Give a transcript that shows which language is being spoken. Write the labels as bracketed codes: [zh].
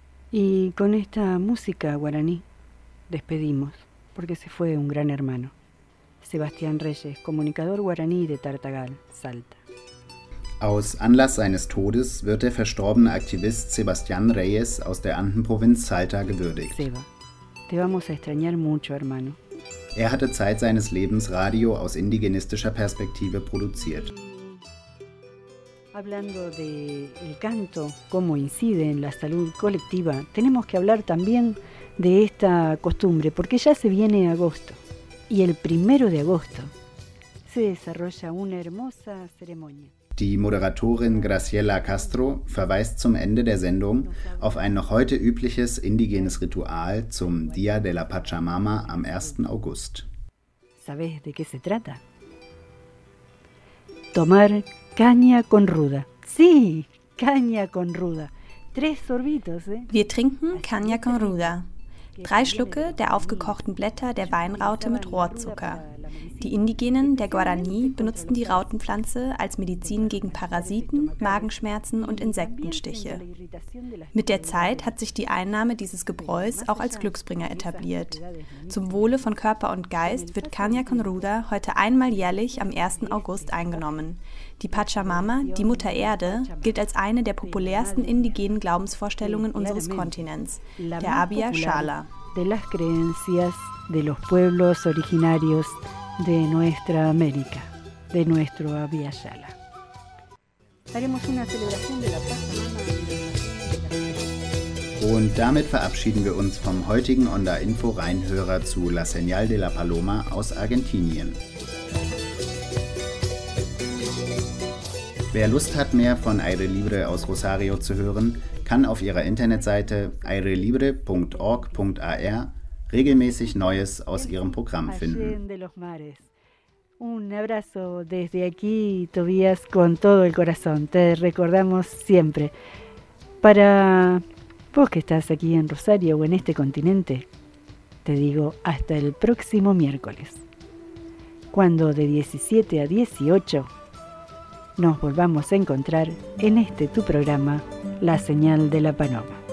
[es] Y con esta música guaraní, despedimos, porque se fue un gran hermano. Sebastián Reyes, comunicador guaraní de Tartagal, Salta. [de] Aus Anlass seines Todes wird der verstorbene Aktivist Sebastián Reyes aus der Andenprovinz Salta gewürdigt. [es] Seba, te vamos a extrañar mucho, hermano. [de] Er hatte Zeit seines Lebens Radio aus indigenistischer Perspektive produziert. [es] Hablando del canto, cómo incide en la salud colectiva, tenemos que hablar también de esta costumbre, porque ya se viene agosto. Y el primero de agosto se desarrolla una hermosa ceremonia. [de] Die Moderatorin Graciela Castro verweist zum Ende der Sendung auf ein noch heute übliches indigenes Ritual zum Día de la Pachamama am 1. August. [es] ¿Sabes de qué se trata? Tomar caña con ruda. Sí, caña con ruda. Tres sorbitos, ¿eh? [de] Wir trinken caña con ruda. Drei Schlucke der aufgekochten Blätter der Weinraute mit Rohrzucker. Die Indigenen der Guaraní benutzten die Rautenpflanze als Medizin gegen Parasiten, Magenschmerzen und Insektenstiche. Mit der Zeit hat sich die Einnahme dieses Gebräus auch als Glücksbringer etabliert. Zum Wohle von Körper und Geist wird Caña con Ruda heute einmal jährlich am 1. August eingenommen. Die Pachamama, die Mutter Erde, gilt als eine der populärsten indigenen Glaubensvorstellungen unseres Kontinents, der Abya Shala. [es] De las creencias de los pueblos originarios de nuestra América, de nuestro Abya Shala. Haremos una celebración de la Pachamama. [de] Und damit verabschieden wir uns vom heutigen Onda Info Rheinhörer zu La Señal de la Paloma aus Argentinien. Wer Lust hat, mehr von Aire Libre aus Rosario zu hören, kann auf ihrer Internetseite airelibre.org.ar regelmäßig Neues aus ihrem Programm finden. [es] Un abrazo desde aquí, Tobias, con todo el corazón. Te recordamos siempre. Para vos que estás aquí en Rosario o en este continente, te digo hasta el próximo miércoles, cuando de 17 a 18 nos volvamos a encontrar en este tu programa, La Señal de la Paloma.